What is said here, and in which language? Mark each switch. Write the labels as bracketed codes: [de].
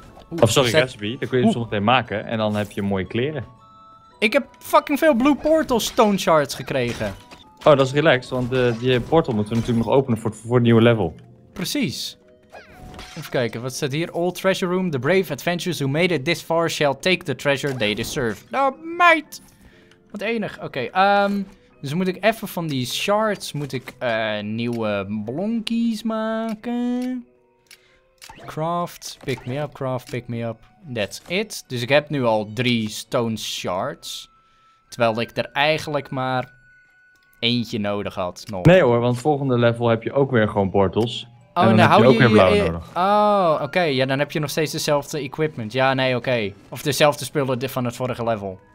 [nl] Oeh, of sorry, recipe. Dan kun je zo meteen maken en dan heb je mooie kleren. Ik heb fucking veel Blue Portal Stone Shards gekregen. Oh, dat is relaxed, want die portal moeten we natuurlijk nog openen voor het nieuwe level. Precies. Even kijken, wat staat hier? [en] Old treasure room. The brave adventurers who made it this far shall take the treasure they deserve. [nl] Nou, meid! Wat enig. Oké, dus moet ik even van die shards, moet ik nieuwe blonkies maken. [en] Craft, pick me up, craft, pick me up. That's it. [nl] Dus ik heb nu al 3 stone shards. Terwijl ik er eigenlijk maar eentje nodig had. Nog. Nee hoor, want volgende level heb je ook weer gewoon portals. Oh, en dan heb je ook weer blauw nodig. Oh, oké. Okay. Ja, dan heb je nog steeds dezelfde equipment. Ja, nee, oké. Okay. Of dezelfde spullen van het vorige level.